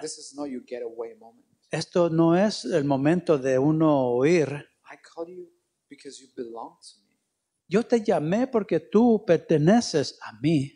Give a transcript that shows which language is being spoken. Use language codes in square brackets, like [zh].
[en] This is not your getaway moment. [es] Esto no es el momento de uno huir. [en] I called you because you belong to me. [es] Yo te llamé porque tú perteneces a mí.